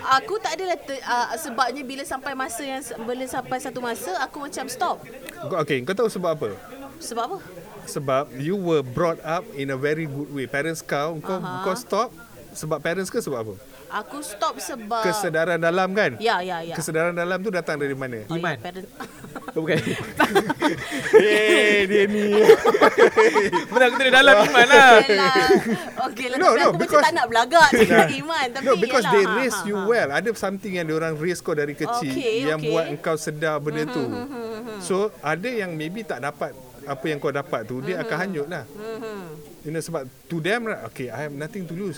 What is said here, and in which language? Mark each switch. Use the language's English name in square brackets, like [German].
[Malay] Aku tak adalah sebabnya bila sampai masa yang, bila sampai satu masa aku macam stop. Okay, kau tahu sebab apa? Sebab apa? [English] Sebab you were brought up in a very good way. [Malay] Parents kau, kau stop sebab parents ke sebab apa? Aku stop sebab kesedaran dalam kan? Ya, ya, ya. Kesedaran dalam tu datang dari mana? Iman. Bukan. Hey, dia ni. Mana aku tadi dalam iman lah. Okey lah. Okay, no, no, aku because tak nak belagak dengan iman. Tapi [English] no, because yalah, they raise you well. [Malay] Ada something yang diorang raise kau dari kecil buat kau sedar benda tu. So, ada yang maybe tak dapat apa yang kau dapat tu, dia akan hanyut lah. [English] You know, sebab to them, okay, I have nothing to lose.